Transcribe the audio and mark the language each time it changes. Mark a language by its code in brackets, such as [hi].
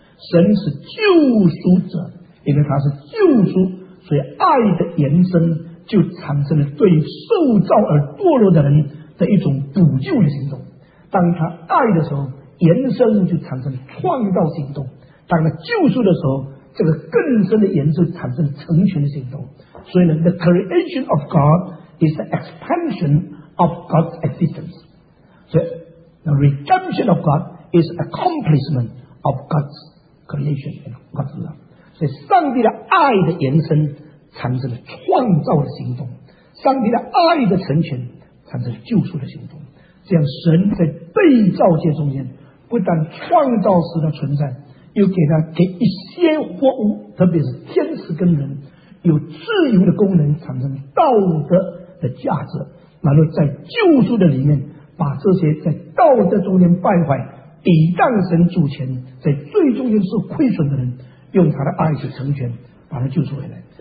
[zh] 神是救赎者，因为他是救赎，所以爱的延伸就产生了对受造而堕落的人的一种补救的行动。当他爱的时候，延伸就产生创造行动；当他救赎的时候，这个更深的研究产生成全的行动。所以呢 [en] the creation of God is the expansion of God's existence. So the redemption of God is accomplishment of God's creation and God's love. [zh] 所以上帝的爱的延伸产生了创造的行动，上帝的爱的成全产生了救赎的行动。这样神在被造界中间不但创造时的存在，又给他给一些活物，特别是天使跟人，有自由的功能，产生道德的价值，然后在救赎的里面把这些在道德中间败坏抵挡神主权在最终间受亏损的人，用他的爱去成全，把他救赎回来。